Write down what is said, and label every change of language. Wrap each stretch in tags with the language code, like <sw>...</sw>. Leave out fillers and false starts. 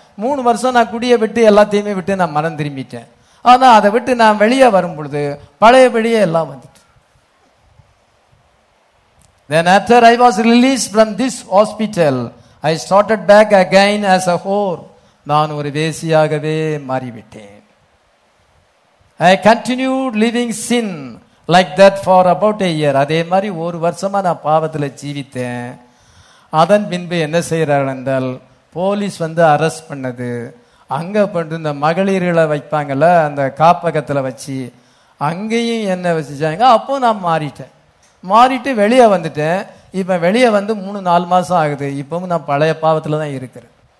<ta>மூணு வருஷம் நான் குடியை விட்டு எல்லாத்தையுமே விட்டு நான் மனம் திரும்பிட்டேன். ஆனால் அதை விட்டு நான் வெளியே வரும்பொழுது பழையபடியே எல்லாம் வந்துட்டு.</ta> <en>Then after I was released from this hospital, I started back again as a whore.</en> <ta>நான் ஒரு வேசியாகவே மாறிவிட்டேன்.</ta> <en>I continued living sin like that for about a year.</en> <ta>அதே மாதிரி ஒரு வருஷமா நான் பாவத்தில் ஜீவித்தேன். அதன் பின்பு என்ன செய்கிறார்கள் என்றால், போலீஸ் வந்து அரெஸ்ட் பண்ணது. அங்கே கொண்டு இந்த மகளிர்களை வைப்பாங்கள அந்த காப்பகத்தில் வச்சு அங்கேயும் என்ன வச்சுச்சாங்க. அப்போ நான் மாறிட்டேன், மாறிட்டு வெளியே வந்துட்டேன். இப்போ வெளியே வந்து மூணு நாலு மாதம் ஆகுது, இப்போவும் நான் பழைய பாவத்தில் தான் இருக்கிறேன்.</ta>